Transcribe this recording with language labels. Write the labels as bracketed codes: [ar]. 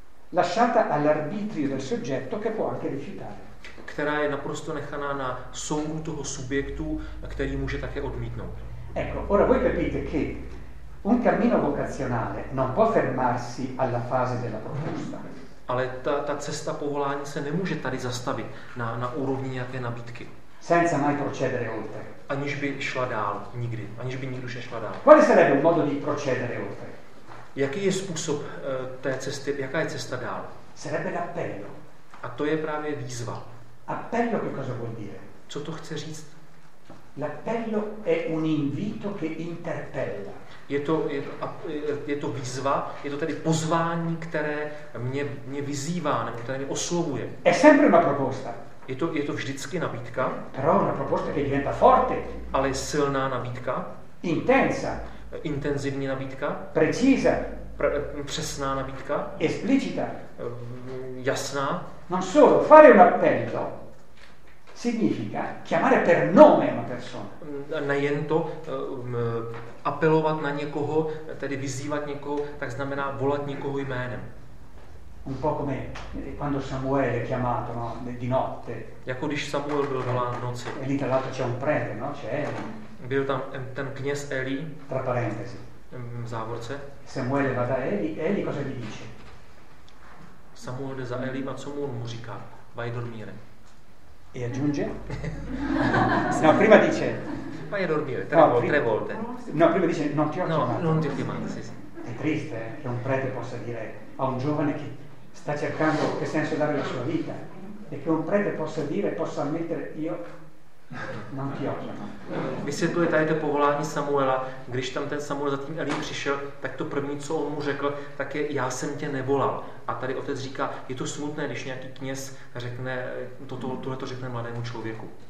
[it] Lasciata all'arbitrio del soggetto che può anche rifiutare. [cs] Která je naprosto nechaná na soudu toho subjektu, který může také odmítnout. [it] Ecco, ora voi capite che un cammino vocazionale non può fermarsi alla fase della proposta. [cs] Ale ta cesta povolání se nemůže tady zastavit na úrovni nějaké nabídky. [it] Senza mai procedere oltre. [cs] Aniž by šla dál, nikdy. Aniž by nikdo šla dál. [it] Quale sarebbe un modo di procedere oltre? [cs] Jaký je způsob té cesty, jaká je cesta dál? [it] Sarebbe l'appello. [cs] A to je právě výzva. [it] Appello che cosa vuol dire? [cs] Co to chce říct? [it] L'appello è un invito che interpella. [cs] Je to výzva, je to tedy pozvání, které mě vyzývá, nebo které mě oslovuje. [it] È sempre una proposta. [cs] Je to vždycky nabídka. [it] Però una proposta che diventa forte. [cs] Ale silná nabídka. [it] Intensa. [cs] Intenzivní nabídka. [it] Precisa. [cs] Přesná nabídka. [it] Esplicita. [cs] Jasná. [it] Non solo, fare un appello significa chiamare per nome una persona. [cs] Nejen to, apelovat na někoho, tedy vyzývat někoho, tak znamená volat někoho jménem. [it] Un po' come quando Samuele è chiamato, no, di notte. [cs] Jako když Samuel byl volán v noci. [it] E lì tra l'altro c'è un prete, no? C'è Eli. [cs] Byl tam ten kněz Eli. [it] Tra parentesi. [cs] V závorce. [it] Samuele va da Eli cosa gli dice? [cs] Samuel jde za Elím a co mu on mu říká? [it] Vai dormire. E aggiunge? No, prima dice. Vai a dormire, tre volte. No, prima dice, non ti ho chiamato. No, non ti ho chiamato, sì. È triste che un prete possa dire a un giovane che sta cercando che senso dare la sua vita e che un prete possa dire, possa ammettere, io non ti ho chiamato. [cs] Vysvětluje tady to povolání Samuela, když tam ten Samuel za tím Elím přišel, tak to první, co on mu řekl, tak je, já jsem tě nevolal. A tady otec říká, je to smutné, když nějaký kněz řekne tohleto řekne mladému člověku.